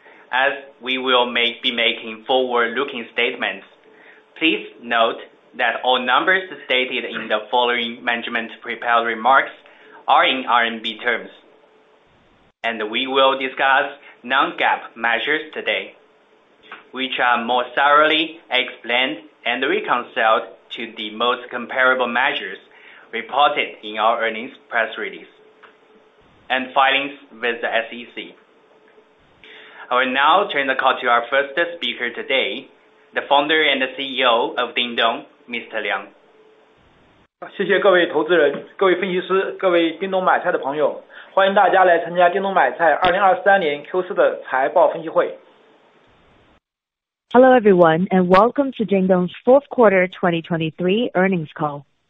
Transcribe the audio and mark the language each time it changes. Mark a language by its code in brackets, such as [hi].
[en] As we will be making forward-looking statements, please note that all numbers stated in the following management prepared remarks are in RMB terms, and we will discuss non-GAAP measures today, which are more thoroughly explained and reconciled to the most comparable measures reported in our earnings press release and filings with the SEC. I will now turn the call to our first speaker today, the Founder and CEO of Dingdong, Mr. Liang. [zh] 谢谢各位投资人、各位分析师、各位叮咚买菜的朋友，欢迎大家来参加叮咚买菜2023年Q4的财报分析会。 [en] Hello everyone, and welcome to Dingdong's Fourth Quarter 2023 Earnings Call.